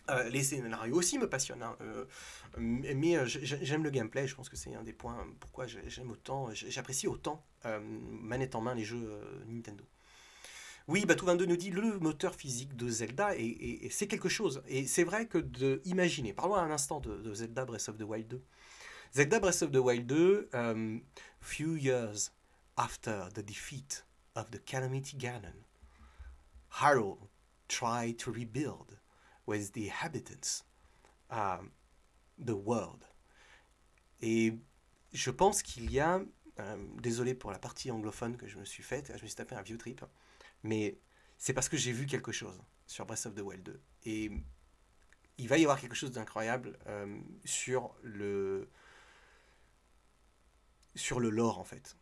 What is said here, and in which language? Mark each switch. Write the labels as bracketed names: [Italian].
[French] Les scénarios aussi me passionnent. Hein. Mais j'aime le gameplay, je pense que c'est un des points pourquoi j'aime autant, j'apprécie autant, manette en main, les jeux Nintendo. Oui, bah, Tout22 nous dit le moteur physique de Zelda, et c'est quelque chose. Et c'est vrai que de imaginer, parlons un instant de Zelda Breath of the Wild 2. [English] Zelda Breath of the Wild 2, few years after the defeat of the Calamity Ganon, Hyrule tried to rebuild with the inhabitants the world. [French] Et je pense qu'il y a, désolé pour la partie anglophone que je me suis faite, je me suis tapé un vieux trip. Mais c'est parce que j'ai vu quelque chose sur Breath of the Wild 2. Et il va y avoir quelque chose d'incroyable sur le lore, en fait.